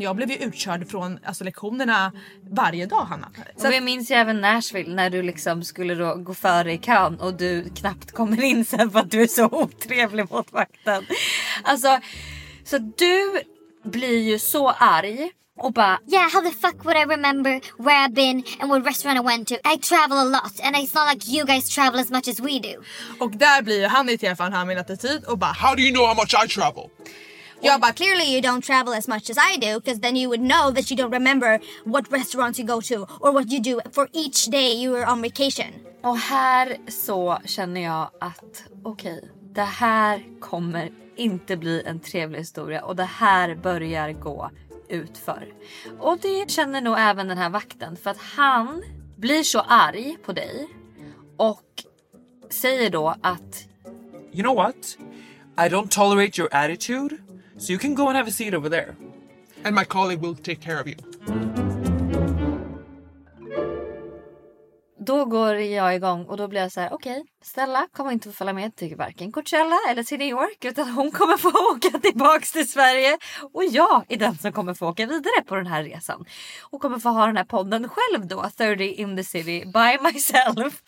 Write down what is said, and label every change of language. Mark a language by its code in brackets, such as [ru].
[sv] Jag blev ju utkörd från alltså lektionerna varje dag, Hanna. Så och jag minns ju även Nashville när du liksom skulle då gå före i kön och du knappt kommer in sen för att du är så otrevlig mot vakten. Alltså, så du blir ju så arg Och bara, [en] yeah, how the fuck would I remember where I've been and what restaurant I went to? I travel a lot and it's not like you guys travel as much as we do. [sv] Och där blir ju han i alla fall han min attityd och bara, [en] how do you know how much I travel? [sv] Jag bara, [en] clearly you don't travel as much as I do, because then you would know that you don't remember what restaurants you go to or what you do for each day you are on vacation. [sv] Och här så känner jag att okej, det här kommer inte bli en trevlig historia och det här börjar gå utför. Och det känner nog även den här vakten, för att han blir så arg på dig och säger då att, [en] you know what? I don't tolerate your attitude. So you can go and have a seat over there. And my colleague will take care of you. [sv] Då går jag igång och då blir jag så här, okej, okay, Stella kommer inte att följa med till varken Coachella eller till New York, utan hon kommer få åka tillbaka till Sverige. Och jag är den som kommer få åka vidare på den här resan. Och kommer få ha den här podden själv då, 30 in the city, [en] by myself.